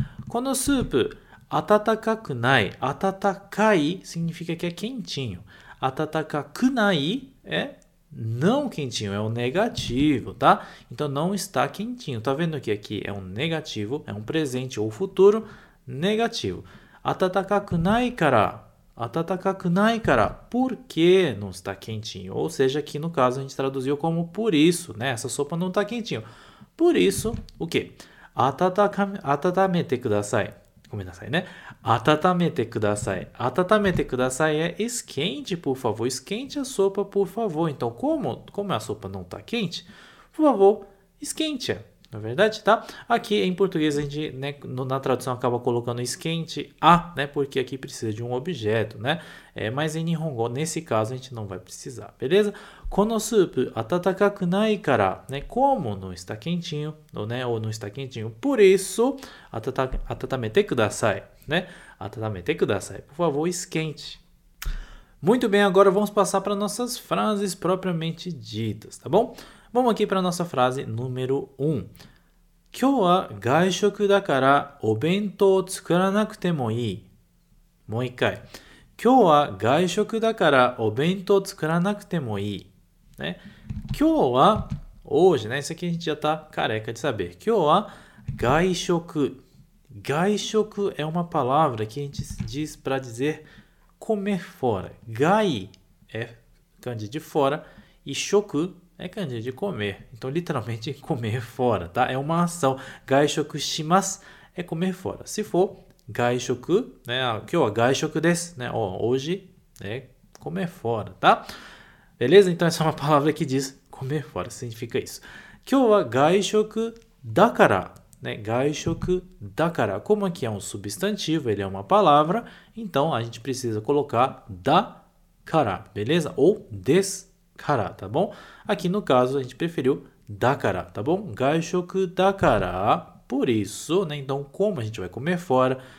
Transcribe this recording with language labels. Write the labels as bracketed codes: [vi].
[ja] このスープ温かくない。 [pt] 温かい significa que é quentinho. [ja] 温かくないえ？ [pt] Não quentinho, é o negativo, tá? Então não está quentinho. Tá vendo que aqui é um negativo, é um presente ou futuro negativo. [ja] Atatakaku nai kara. Atatakaku nai kara. [pt] Por que não está quentinho? Ou seja, aqui no caso a gente traduziu como por isso, né? Essa sopa não está quentinho. Por isso, o quê? [ja] Atatamete kudasai. ごめんなさいね。温めてください。温めてください。 [pt] esquente, por favor. Esquente a sopa, por favor. Então, como a sopa não está quente, por favor, esquente. Na verdade, tá? Aqui em português, a gente, né, na tradução acaba colocando esquente a, né? Porque aqui precisa de um objeto, né? Mas em Nihongo, nesse caso, a gente não vai precisar, beleza? [ja] このスープ温かくないから、ね、 [pt] como não está quentinho, né? Ou não está quentinho, por isso, [ja] 温めてください、ね、温めてください、 [pt] por favor, esquente. Muito bem, agora vamos passar para nossas frases propriamente ditas, tá bom? Vamos aqui para nossa frase número 1. [ja] 今日は外食だからお弁当を作らなくてもいい。もう一回。今日は外食だからお弁当を作らなくてもいい。ね、今日は、 [pt] hoje, né? Isso aqui a gente já está careca de saber. [ja] 今日は外食。 [pt] 外食é uma palavra que a gente diz para dizer comer fora. 外é kanji de fora e 食é kanji de comer. Então, literalmente, comer fora, tá? É uma ação. [ja] 外食します [pt] é comer fora. Se for 外食、né? [ja] 今日は外食です、ね、 [pt] hoje é comer fora, tá? Beleza? Então, essa é uma palavra que diz comer fora, significa isso. [ja] 今日は外食だから、né? 外食だから。 [pt] Como aqui é um substantivo, ele é uma palavra, então a gente precisa colocar da から, beleza? Ou des から, tá bom? Aqui no caso, a gente preferiu Da cara, tá bom? [ja] Gaishoku da cara. [pt] Por isso, né? Então, como a gente vai comer fora?